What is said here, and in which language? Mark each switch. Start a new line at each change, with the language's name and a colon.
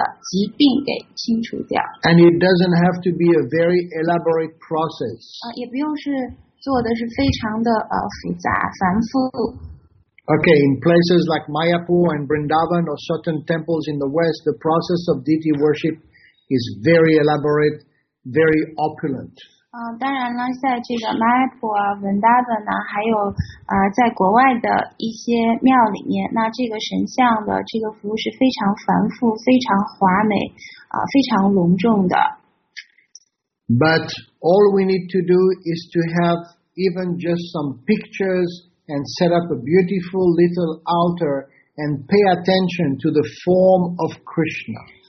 Chinese: 也就是说呢，通过这个神像崇拜的这个程序，我们就把我们心中的这种被称为非人格主义的疾病给清除掉。
English: And it doesn't have to be a very elaborate process.
Chinese: 也不用是做的是非常的复杂繁复。
English: Okay, in places like Mayapur and Vrindavan or certain temples in the West, the process of deity worship is very elaborate, very opulent.
Chinese: 当然了，在这个Mayapur、Vrindavan呢，还有在国外的一些庙里面，那这个神像的这个服务是非常繁复、非常华美、非常隆重的。
English: But all we need to do is to have even just some pictures and set up a beautiful little altar and pay attention to the form of Krishna.